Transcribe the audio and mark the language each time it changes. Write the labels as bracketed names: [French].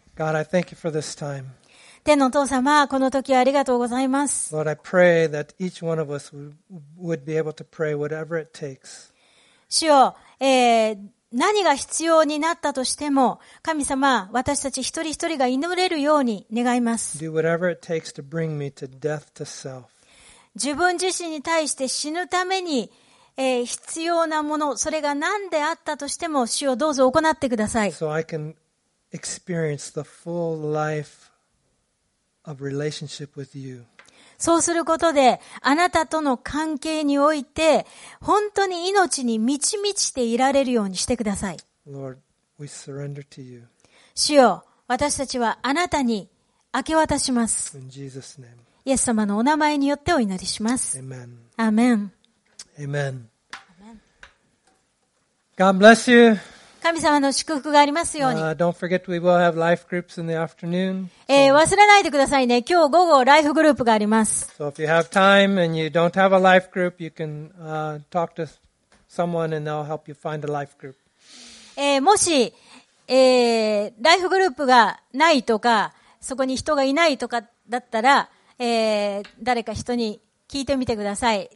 [English] God, I thank you for this time. [Japanese] 天のお父様、この時ありがとうございます。 [English] Lord, I pray that each one of us would be able to pray whatever it takes. [Japanese] 主よ、何が必要になったとしても、神様、私たち一人一人が祈れるように願います。 [English] Do whatever it takes to bring me to death to self. [Japanese] 自分自身に対して死ぬために、必要なもの、それが何であったとしても、主をどうぞ行ってください。 [English] So I can experience the full life of relationship with you. [Japanese] そうすることで、あなたとの関係において、本当に命に満ち満ちていられるようにしてください。 [English] Lord, we surrender to you. [Japanese] 主よ、私たちはあなたに明け渡します。 [English] In Jesus' name. [Japanese] イエス様のお名前によってお祈りします。 [English] Amen. Amen. Amen. God bless you. [Japanese] 神様の祝福がありますように。 [English] Don't forget we will have life groups in the afternoon. [Japanese] 忘れないでくださいね。今日午後ライフグループがあります。 [English] So if you have time and you don't have a life group, you can talk to someone and they'll help you find a life group. [Japanese] もし、ライフグループがないとか、そこに人がいないとかだったら、誰か人に聞いてみてください。